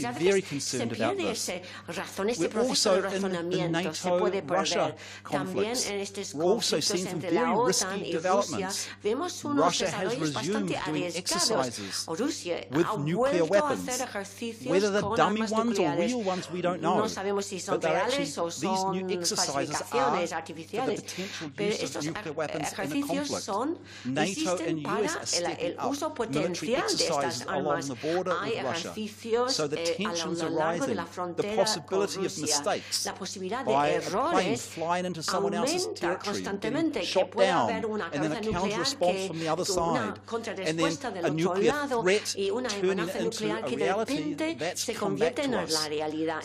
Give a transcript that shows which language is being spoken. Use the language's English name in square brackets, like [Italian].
[Spanish] Y a veces se pierde ese proceso de razonamiento, se puede perder. También en estos conflictos entre la OTAN y Rusia, vemos unos desarrollos bastante arriesgados. Rusia [English] with nuclear weapons. Whether they're dummy ones or real ones, we don't know. [Spanish] No sabemos si son reales o son falsificaciones artificiales. Pero estos ejercicios existen para el uso potencial de estas armas. Hay ejercicios a lo largo de la frontera con Rusia. La posibilidad de errores aumenta constantemente, que puede haber una cabeza nuclear que una contrarrespuesta del otro lado y una amenaza nuclear que de repente se convierte en la realidad.